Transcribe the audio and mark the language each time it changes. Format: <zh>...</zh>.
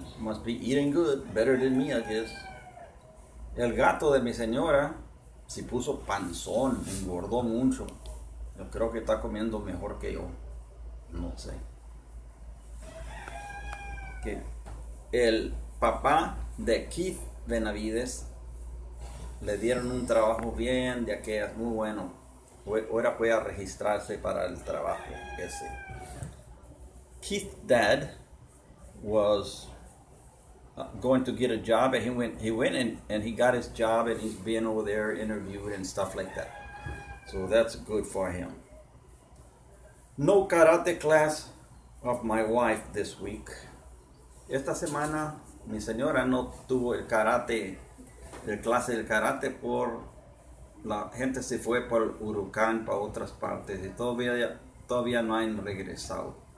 <en>Must be eating good, better than me, I guess.</en> <es>El gato de mi señora se puso panzón, engordó mucho. Yo creo que está comiendo mejor que yo. No sé. Que el papá de Keith Benavides le dieron un trabajo bien de aquellas, muy bueno. Ahora puede registrarse para el trabajo ese.</es> <en>Keith's dad was going to get a job, and he went and he got his job, and he's being over there interviewed and stuff like that. So that's good for him. No karate class of my wife this week.</en> <es>Esta semana, mi señora no tuvo el karate, el clase del karate, por la gente se fue por el huracán para otras partes y todavía no han regresado.</es>